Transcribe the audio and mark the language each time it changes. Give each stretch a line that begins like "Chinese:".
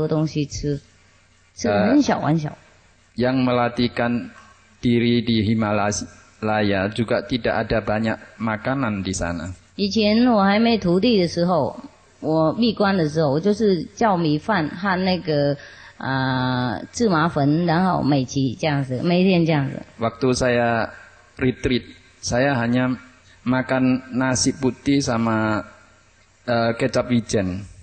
Chinese: 有一些人他住在喜马拉雅山修行，根本没有很多东西吃，吃很小很小。
Indonesian: Yang melatihkan diri di Himalaya juga tidak ada banyak makanan di sana.
Chinese: 以前我还没徒弟的时候，我闭关的时候，我就是叫米饭和那个。芝麻粉，然后每天这样子，每天这样子。
Indonesian: Waktu saya retreat, saya hanya makan nasi putih sama kecap wijen.